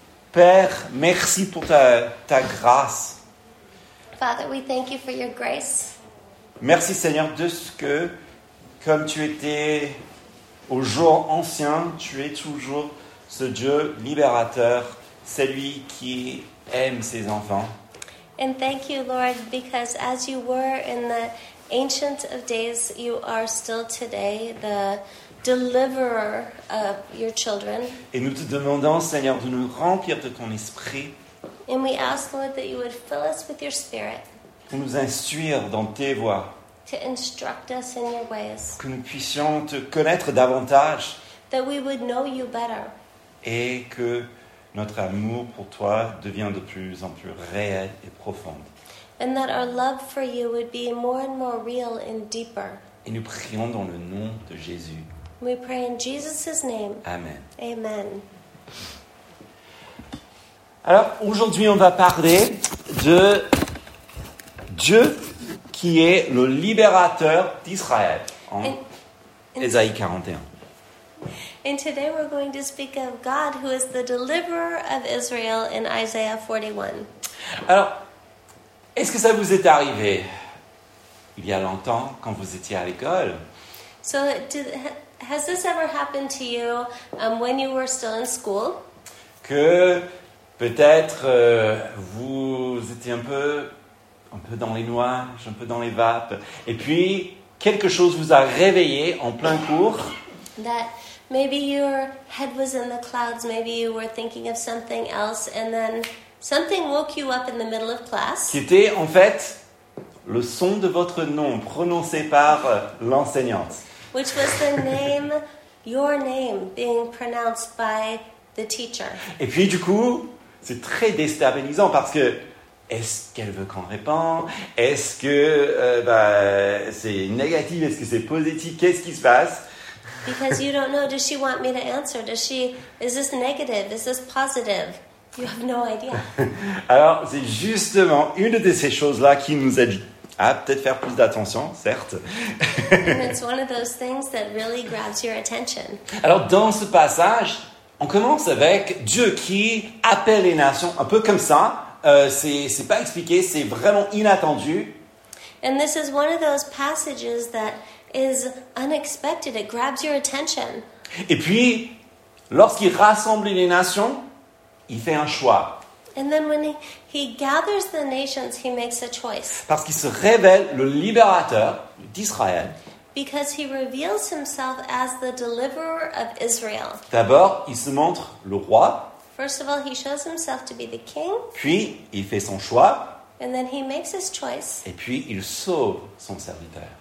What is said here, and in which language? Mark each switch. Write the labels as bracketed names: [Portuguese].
[French] Père, merci pour ta grâce. [English] Father, we thank you for your grace. [French] Merci Seigneur de ce que, comme tu étais au jour ancien, tu es toujours ce Dieu libérateur, celui qui aime ses enfants. [English] And thank you, Lord, because as you were in the Ancient of Days, you are still today the deliverer of your children. [French] Et nous te demandons, Seigneur, de nous remplir de ton esprit. [English] And we ask, Lord, that you would fill us with your spirit. [French] Pour nous instruire dans tes voies. [English] To instruct us in your ways. [French] Que nous puissions te connaître davantage. [English] That we would know you better. [French] Et que notre amour pour toi devienne de plus en plus réel et profond. [English] And that our love for you would be more and more real and deeper. [French] Et nous prions dans le nom de Jésus. [English] We pray in Jesus' name. Amen. Amen. [French] Alors, aujourd'hui, on va parler de Dieu qui est le libérateur d'Israël. Ésaïe 41. [English] And today we're going to speak of God who is the deliverer of Israel in Isaiah 41. [French] Alors, est-ce que ça vous est arrivé il y a longtemps quand vous étiez à l'école? [English] So, has this ever happened to you when you were still in school? [French] Que peut-être vous étiez un peu dans les nuages, un peu dans les vapes, et puis quelque chose vous a réveillé en plein cours. [English] That maybe your head was in the clouds, maybe you were thinking of something else, and then something woke you up in the middle of class. [French] Qui était en fait le son de votre nom prononcé par l'enseignante. [English] Which was the name, your name, being pronounced by the teacher. [French] Et puis du coup, c'est très déstabilisant parce que est-ce qu'elle veut qu'on réponde? Est-ce que c'est négatif? Est-ce que c'est positif? Qu'est-ce qui se passe? [English] Because you don't know, does she want me to answer? Is this negative? Is this positive? You have no idea. [French] Alors, c'est justement une de ces choses-là qui nous aide à peut-être faire plus d'attention, certes. [English] And it's one of those things that really grabs your attention. [French] Alors, dans ce passage, on commence avec Dieu qui appelle les nations, un peu comme ça. C'est pas expliqué, c'est vraiment inattendu. [English] And this is one of those passages that is unexpected. It grabs your attention. [French] Et puis, lorsqu'il rassemble les nations, il fait un choix. [English] And then when he gathers the nations, he makes a choice. [French] Parce qu'il se révèle le libérateur d'Israël. [English] Because he reveals himself as the deliverer of Israel. [French] D'abord, il se montre le roi. [English] First of all, he shows himself to be the king. [French] Puis, il fait son choix. [English] And then he makes his choice. [French] Et puis, il sauve son serviteur.